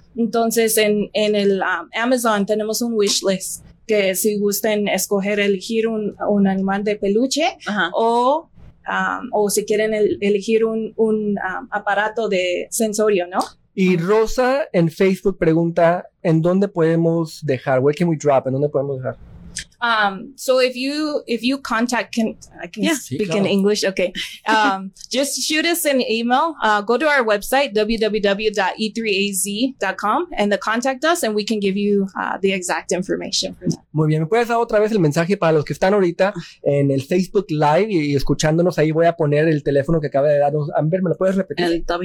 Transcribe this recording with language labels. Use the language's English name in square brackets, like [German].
[Spanish] Entonces, en el Amazon tenemos un wish list, que si gusten elegir un animal de peluche, uh-huh, o si quieren elegir un aparato de sensorio, ¿no? Y Rosa en Facebook pregunta, ¿en dónde podemos dejar? [English] Where can we drop? [Spanish] ¿En dónde podemos dejar? [English] So if you contact, can I speak in English? Okay. just shoot us an email. Go to our website, www.e3az.com, and the contact us, and we can give you the exact information for that. [Spanish] Muy bien. ¿Me puedes dar otra vez el mensaje para los que están ahorita en el Facebook Live y escuchándonos? Ahí voy a poner el teléfono que acaba de darnos Amber. ¿Me lo puedes repetir?